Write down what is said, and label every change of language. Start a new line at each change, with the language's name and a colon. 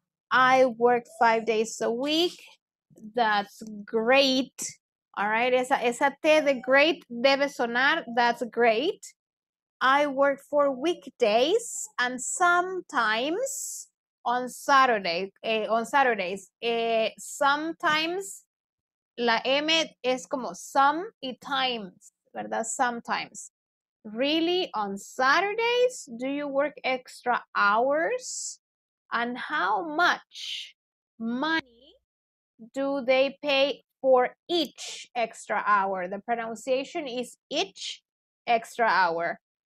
English: I work 5 days a week. That's great. All right.
Spanish: Esa T de great debe sonar.
English: That's great. I work for weekdays and sometimes on Saturday, on Saturdays.
Spanish: Sometimes, la M es como some y times, ¿verdad?
English: Sometimes. Really, on Saturdays, do you work extra hours? And how much money do they pay for each extra hour? The pronunciation is each extra hour.